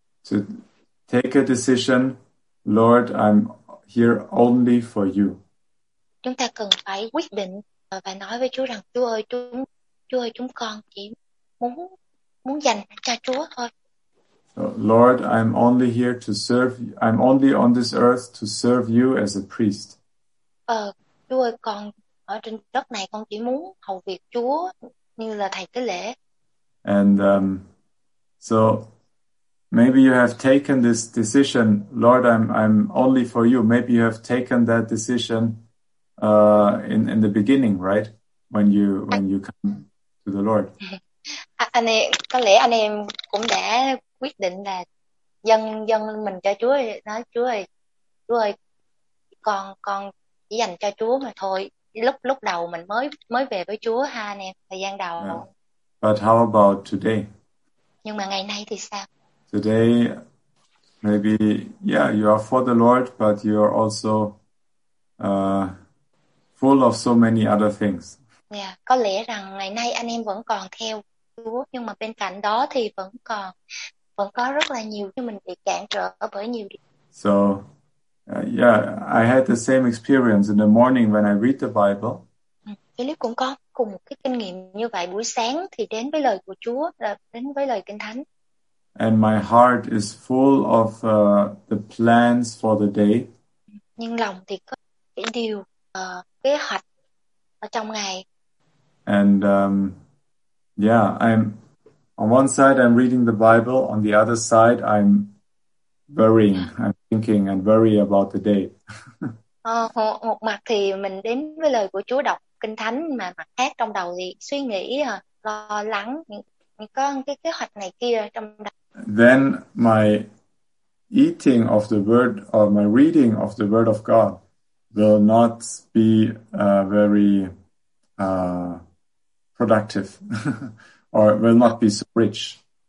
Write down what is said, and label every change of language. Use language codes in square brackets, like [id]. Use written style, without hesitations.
[en] To take a decision, Lord, I'm here only for you. [vi] Chúng ta cần phải quyết định và nói với Chúa rằng Chúa ơi, chúng con chỉ muốn dành cho Chúa thôi. [en] So, Lord, I'm only here to serve. I'm only on this earth to serve you as a priest. [vi] Chúa ơi, con ở trên đất này con chỉ muốn hầu việc Chúa như là thầy tế lễ. [en] And so maybe you have taken this decision, Lord, I'm only for you. Maybe you have taken that decision in the beginning, right? When you come to the Lord. [vi] Anh em, có lẽ anh em cũng đã quyết định là dâng mình cho Chúa, nói Chúa ơi, con chỉ dành cho Chúa mà thôi. Lúc đầu mình mới về với Chúa ha anh em, thời gian đầu. [en] Yeah. But how about today? [vi] Nhưng mà ngày nay thì sao? [en] Today, maybe, yeah, you are for the Lord, but you are also full of so many other things. [vi] Yeah, có lẽ rằng ngày nay anh em vẫn còn theo Chúa, nhưng mà bên cạnh đó thì vẫn có rất là nhiều cho mình bị cản trở bởi nhiều điều. [en] So, yeah, I had the same experience in the morning when I read the Bible. [vi] Philip cũng có cùng cái kinh nghiệm như vậy, buổi sáng thì đến với lời của Chúa, đến với lời Kinh Thánh. [en] And my heart is full of the plans for the day. [vi] Nhưng lòng thì có cái điều kế hoạch ở trong ngày. [en] And I'm on one side I'm reading the Bible, on the other side I'm worrying, I'm thinking and worry about the day. [vi] Một mặt thì mình đến với lời của Chúa đọc Kinh Thánh, mà mặt khác trong đầu thì suy nghĩ lo lắng có cái kế hoạch này kia trong đầu. [en] Then my eating of the word, or my reading of the word of God, will not be very productive, or will not be so rich.